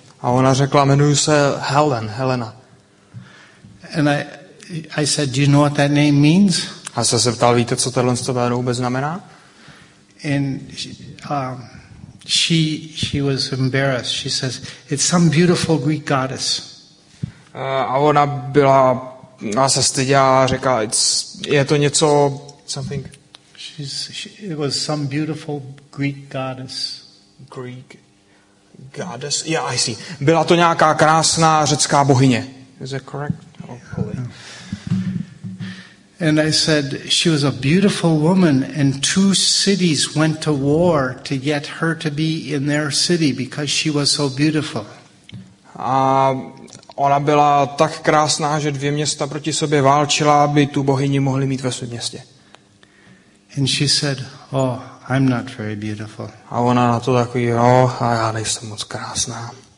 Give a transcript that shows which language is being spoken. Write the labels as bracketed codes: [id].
[cs] A ona řekla, jmenuji se Helen, Helena. [en] And I said, do you know what that name means? [cs] A se zeptal, víte, co tohle jméno vůbec znamená? [en] And she was embarrassed. She says, it's some beautiful Greek goddess. [cs] A ona byla, a se styděla a řekla, je to něco, something. [en] It was some beautiful Greek goddess. Greek goddess, yeah, I see. [cs] Byla to nějaká krásná řecká bohyně. [en] Is that correct? Hopefully. And I said, she was a beautiful woman and two cities went to war to get her to be in their city because she was so beautiful. [cs] A ona byla tak krásná, že dvě města proti sobě válčila, aby tu bohyni mohli mít ve svém městě. [en] And she said, oh, I'm not very beautiful. [cs] A ona na to takový, jo, a já nejsem moc krásná.